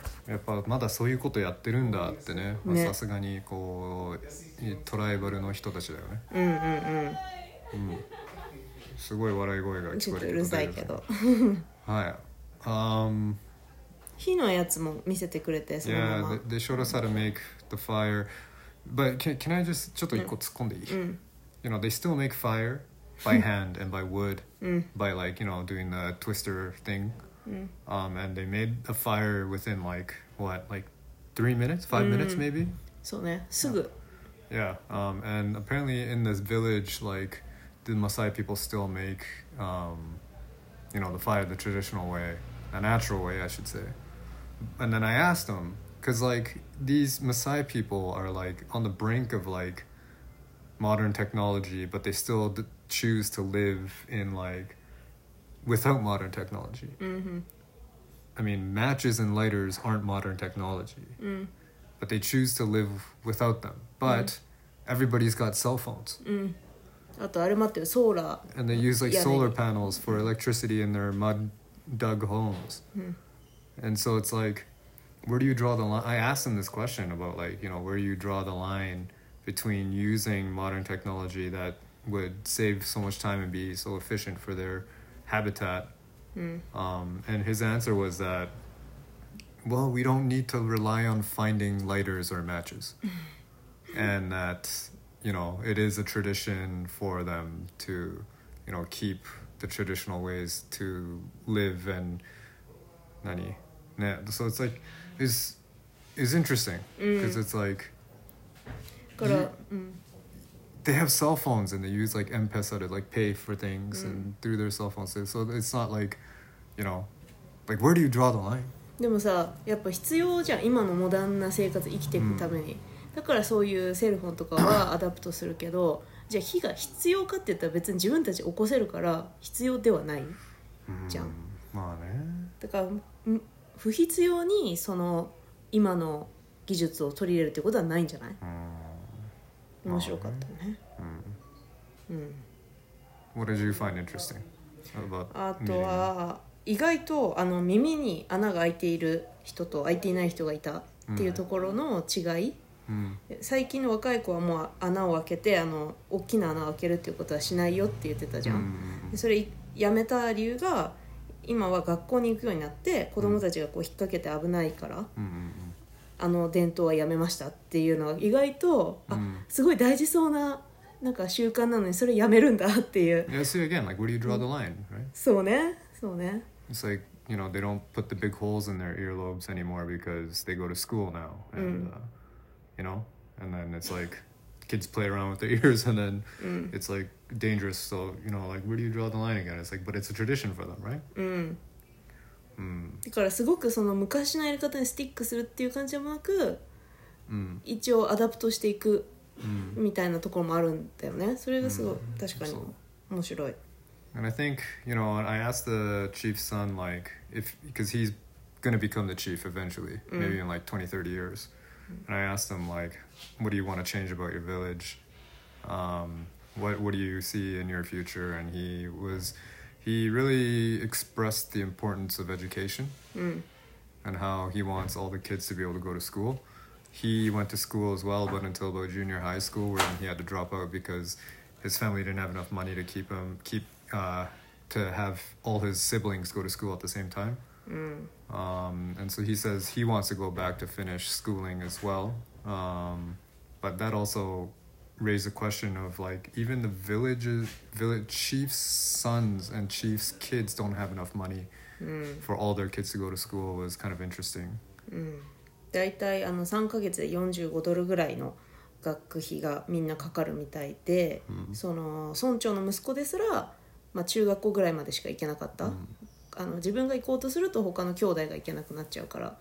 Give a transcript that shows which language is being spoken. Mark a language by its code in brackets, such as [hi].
[ja] やっぱまだそういうことやってるんだってね、さすがにこうトライバルの人たちだよね、うんうんうんうん、すごい笑い声が聞こえる、ちょっとうるさいけど、はい、火のやつも見せてくれて、そのまま [en] Yeah, they showed us how to make the fire. But can I just [ja] ちょっと一個突っ込んでいい、うん、 [en] You know, they still make fire by hand and by wood 、 [ja] うん、 [en] by like, you know, doing the twister thing、 [ja] うん、 [en] and they made a fire within like, what, like 3 minutes? 5 minutes maybe? [ja] そうね、すぐ、 [en] yeah. Yeah, and apparently in this village, like, the Maasai people still make, you know, the fire the traditional way, a natural way, I should say. And then I asked them, because, like, these Maasai people are, like, on the brink of, like, modern technology, but they still choose to live in, like, without modern technology. Mm-hmm. I mean, matches and lighters aren't modern technology, but they choose to live without them. But...、 Mm-hmm. Everybody's got cell phones. [ja] うん。あとあれ待ってよ、ソーラー。 [en] And they use like solar panels for electricity in their mud dug homes. [ja] うん。 [en] And so it's like, where do you draw the line? I asked them this question about like, you know, where do you draw the line between using modern technology that would save so much time and be so efficient for their habitat? [ja] うん。 [en] And his answer was that, well, we don't need to rely on finding lighters or matches. And that, you know, it is a tradition for them to, you know, keep the traditional ways to live and... [ja] 何? [en] Yeah, so it's like, it's interesting. Because it's like... You, they have cell phones and they use like M-Pesa to like pay for things and through their cell phones. So it's not like, you know, like where do you draw the line? [ja] でもさ、やっぱ必要じゃん、今のモダンな生活生きていくために。だからそういうセルフォンとかはアダプトするけど、じゃあ火が必要かって言ったら別に自分たち起こせるから必要ではないじゃん。まあね。だから不必要にその今の技術を取り入れるってことはないんじゃない？面白かったね。 [en] What did you find interesting about? [ja] あとは意外とあの耳に穴が開いている人と開いていない人がいたっていうところの違い。最近の若い子はもう穴を開けてあの大きな穴を開けるっていうことはしないよって言ってたじゃん、うん、でそれやめた理由が今は学校に行くようになって子供たちがこう引っ掛けて危ないから、うん、あの伝統はやめましたっていうのは意外と、うん、あすごい大事そうな、 なんか習慣なのにそれやめるんだっていう [en] Yeah, see again, like where do you draw the line, right? [ja] そうね、そうね [en] It's like, you know, they don't put the big holes in their earlobes anymore because they go to school now and,、 [ja] うん [en] You know? And then it's like, kids play around with their ears and then it's like dangerous. So, you know, like, where do you draw the line again? It's like, but it's a tradition for them, right? [ja] だからすごくその昔のやり方にスティックするっていう感じでもなく、一応アダプトしていくみたいなところもあるんだよね。それがすごい確かに面白い。 [en] And I think, you know, I asked the chief's son, like, if, because he's going to become the chief eventually, maybe in like 20, 30 years. And I asked him, like, what do you want to change about your village? What do you see in your future? And he was, he really expressed the importance of education and how he wants all the kids to be able to go to school. He went to school as well, but until about junior high school, where he had to drop out because his family didn't have enough money to keep him, to have all his siblings go to school at the same time. And so he says he wants to go back to finish schooling as well. But that also raised the question of like, even the village chief's sons and chief's kids don't have enough money for all their kids to go to school was kind of interesting. [ja] だいたい3ヶ月で45ドルぐらいの学費がみんなかかるみたいで、うん、その村長の息子ですら、まあ、中学校ぐらいまでしか行けなかった、うん、自分が行こうとすると他の兄弟が行けなくなっちゃうから、